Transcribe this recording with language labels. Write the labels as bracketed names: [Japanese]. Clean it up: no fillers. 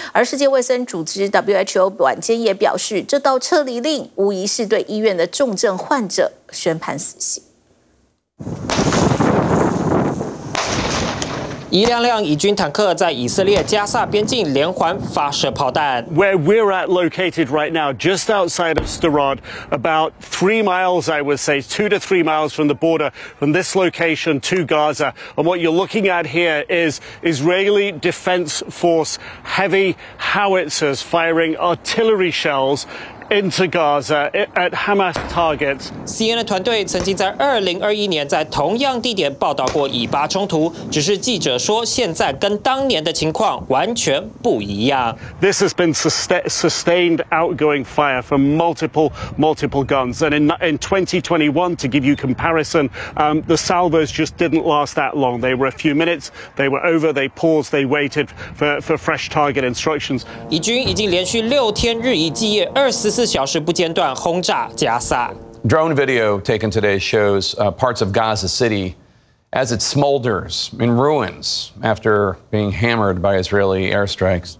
[Chinese] 而世界卫生组织 WHO 晚间也表示，这道撤离令无疑是对医院的重症患者宣判死刑。一辆辆以军坦克在以色列加萨边境连环发射炮弹。 [English] Where we're at located right now, just outside of Sderot, about 3 miles, I would say, 2 to 3 miles from the border, from this location to Gaza. And what you're looking at here is Israeli Defense Force heavy howitzers firing artillery shells. Into Gaza at Hamas targets. [Chinese] CNN 团队曾经在2021年在同样地点报道过以巴冲突，只是记者说现在跟当年的情况完全不一样。 [English] This has been sustained outgoing fire from multiple guns, and in 2021, to give you comparison, the salvos just didn't last that long. They were a few minutes. They were over. They paused. They waited for fresh target instructions. [Chinese] 以军已经连续6天日以继夜24小时不间断轰炸加萨。 [English] Drone video taken today shows parts of Gaza City as it smolders in ruins after being hammered by Israeli airstrikes.